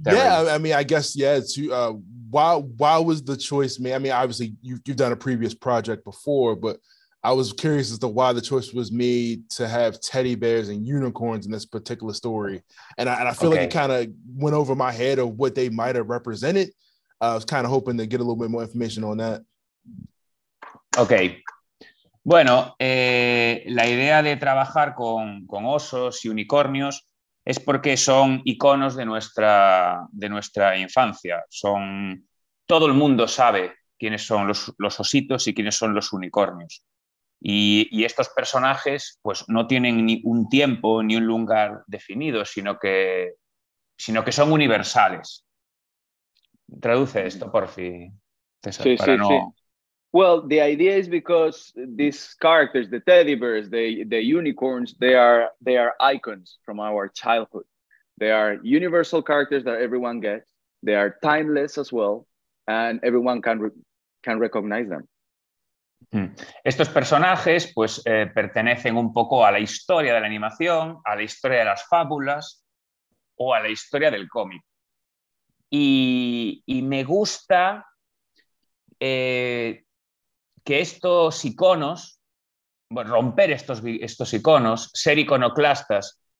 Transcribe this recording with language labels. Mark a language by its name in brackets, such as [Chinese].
[English] I mean, I guess, why was the choice made? I mean, obviously, you've done a previous project before, but I was curious as to why the choice was made to have teddy bears and unicorns in this particular story. And I feel like it kind of went over my head of what they might have represented. I was kind of hoping to get a little bit more information on that. Okay. [Spanish] Bueno, la idea de trabajar con osos y unicornios es porque son iconos de nuestra infancia. Todo el mundo sabe quiénes son los ositos y quiénes son los unicornios. Y estos personajes pues, no tienen ni un tiempo ni un lugar definido, sino que son universales. Traduce esto, por fin, César, [English] Well, the idea is because these characters, the teddy bears, the unicorns, they are icons from our childhood. They are universal characters that everyone gets. They are timeless as well, and everyone can recognize them. [Spanish] Estos personajes, pues, pertenecen un poco a la historia de la animación, a la historia de las fábulas o a la historia del cómic. Y me gusta que estos iconos, romper estos iconos, ser iconoclastas